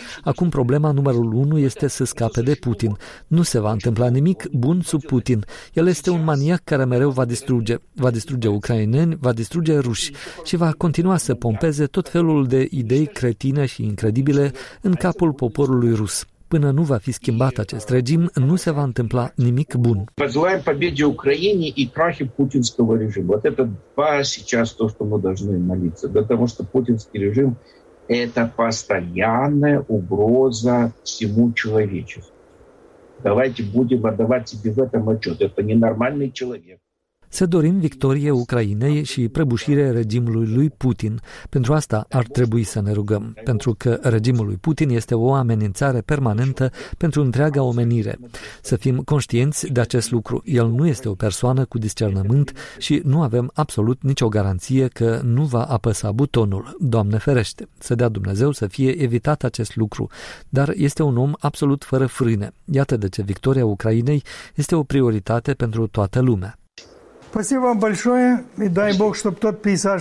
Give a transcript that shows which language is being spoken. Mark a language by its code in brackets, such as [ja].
[ro] Acum problema numărul unu este să scape de Putin. Nu se va întâmpla nimic bun sub Putin. El este un maniac care mereu va distruge. Va distruge ucraineni, va distruge ruși și va continua să pompeze tot felul de idei cretine și incredibile în capul poporului rus. Până nu va fi schimbat acest regim, nu se va întâmpla nimic bun. [ru] Pozvăm победе Украине и крахе путинского режима. Вот это два сейчас то, что мы должны молиться, потому что путинский режим это постоянная угроза всему человечеству. Давайте будем отдавать себе в этом отчёт. Это ненормальный человек. [ro] Să dorim victorie Ucrainei și prăbușire regimului lui Putin. Pentru asta ar trebui să ne rugăm, pentru că regimul lui Putin este o amenințare permanentă pentru întreaga omenire. Să fim conștienți de acest lucru. El nu este o persoană cu discernământ și nu avem absolut nicio garanție că nu va apăsa butonul. Doamne ferește! Să dea Dumnezeu să fie evitat acest lucru. Dar este un om absolut fără frâne. Iată de ce victoria Ucrainei este o prioritate pentru toată lumea. [ru] Спасибо вам большое, и дай Бог, чтобы тот пейзаж